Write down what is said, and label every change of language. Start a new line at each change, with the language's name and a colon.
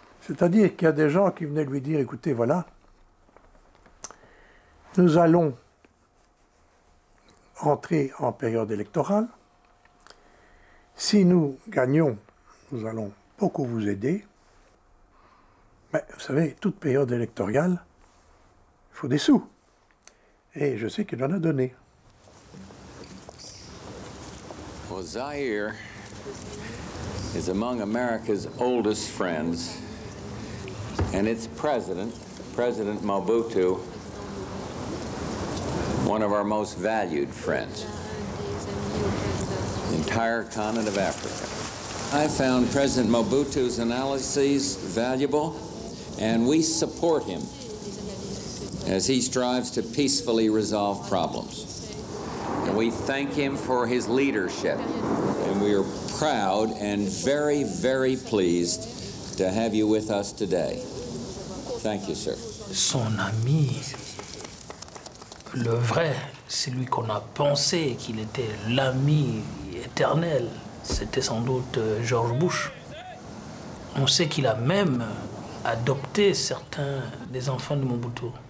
French: C'est-à-dire qu'il y a des gens qui venaient lui dire, écoutez, voilà, nous allons entrer en période électorale. Si nous gagnons, nous allons beaucoup vous aider. Mais vous savez, toute période électorale, il faut des sous. Et je sais qu'il en a donné.
English: Well, Zaire is among America's oldest friends, and its president, President Mobutu, one of our most valued friends. The entire continent of Africa. I found President Mobutu's analyses valuable, and we support him as he strives to peacefully resolve problems. And we thank him for his leadership, and we are proud and very, very pleased to have you with us today. Thank you, sir.
French: Son ami, le vrai, celui qu'on a pensé qu'il était l'ami éternel, c'était sans doute George Bush. On sait qu'il a même adopté certains des enfants de Mobutu.